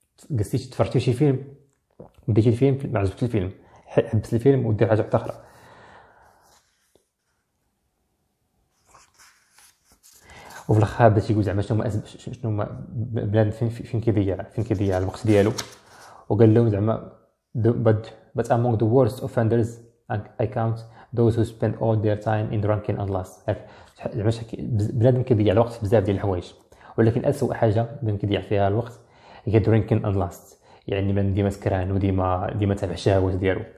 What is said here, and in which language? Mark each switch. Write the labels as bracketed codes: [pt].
[ar] جلستي تفرجتي شي فيلم بديتي الفيلم ما عجبكش الفيلم حبس الفيلم ودير حاجه اخرى. وفي الاخر بدا تيقول زعما شنو هما بلاد فين كيضيع الوقت ديالو. وقال لهم زعما [en] but among the worst offenders I count those who spend all their time in drinking and lust. [ar] زعما بنادم كيضيع الوقت بزاف ديال الحوايج، ولكن اسوء حاجه بنادم كيضيع فيها الوقت هي [en] drinking and lust، [ar] يعني من ديما سكران وديما تابع الشهوات ديالو.